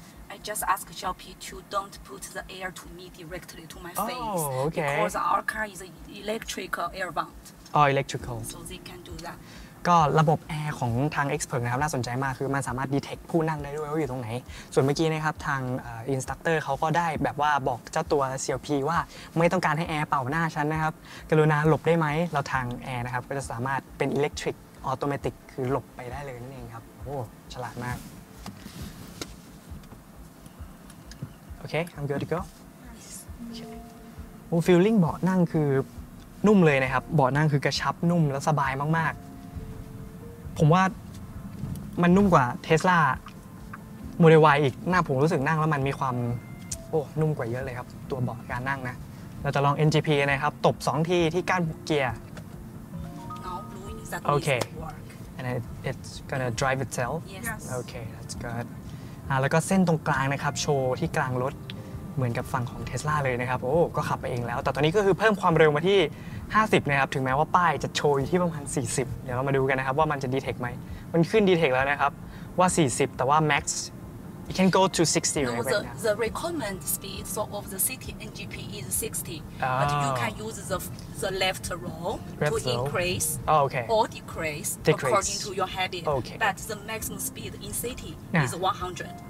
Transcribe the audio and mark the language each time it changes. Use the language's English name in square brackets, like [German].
[English] I just ask 小皮 to don't put the air to me directly to my face okay. because our car is electrical airbound oh electrical so they can do that [Thai] ก็ระบบแอร์ของทาง XPeng นะครับน่าสนใจมากคือมันสามารถดีเทคผู้นั่งได้ด้วยว่าอยู่ตรงไหนส่วนเมื่อกี้นะครับทางอินสตรัคเตอร์เขาก็ได้แบบว่าบอกเจ้าตัว CLP ว่าไม่ต้องการให้แอร์เป่าหน้าฉันนะครับกรุณาหลบได้ไหมเราทางแอร์นะครับก็จะสามารถเป็นอิเล็กทริกออโตเมติกคือหลบไปได้เลยนั่นเองครับโอ้ฉลาดมาก โอเค [English] I'm good to go [Thai] โอ้ฟีลลิ่งเบาะนั่งคือนุ่มเลยนะครับเบาะนั่งคือกระชับนุ่มและสบายมากๆผมว่ามันนุ่มกว่า Tesla Model Y อีกหน้าผมรู้สึกนั่งแล้วมันมีความโอ้นุ่มกว่าเยอะเลยครับตัวเบาะการนั่งนะเราจะลอง NGP นะครับตบ2ทีที่ก้านเกียร์ [English] No blue exactly okay and it's gonna drive itself yes okay that's good [Thai] แล้วก็เส้นตรงกลางนะครับโชว์ที่กลางรถเหมือนกับฝั่งของ Tesla เลยนะครับโอ้ก็ขับไปเองแล้วแต่ตอนนี้ก็คือเพิ่มความเร็วมาที่50นะครับถึงแม้ว่าป้ายจะโชว์อยู่ที่ประมาณ40เดี๋ยวเรามาดูกันนะครับว่ามันจะดีเทคมั้ยมันขึ้นดีเทคแล้วนะครับว่า40แต่ว่า max [English] It can go to 60, no, right? No, the recommended speed so of the city NGP is 60. Oh. But you can use the left roll to increase or decrease according to your habit. Okay. But the maximum speed in city is 100.